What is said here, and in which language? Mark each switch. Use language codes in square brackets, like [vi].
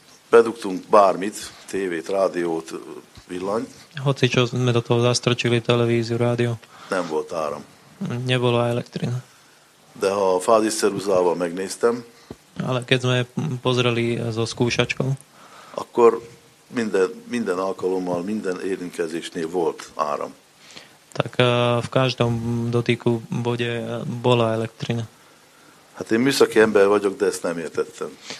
[hu] bedugtunk bármit, tévét, rádiót, villanyt. [sk] Hoci čo sme do toho zastrčili, televíziu, rádio. [hu] Nem volt áram. [sk] Nebolo elektrina. [hu] De ha a fáziszeruzával megnéztem. [sk] Ale keď sme pozreli so skúšačkou. [hu] Akkor minden alkalommal, minden érintkezésnél volt áram. [sk] Tak v každom dotyku bode bola elektrina. [hu] Hát én műszaki ember vagyok, de ezt nem értettem.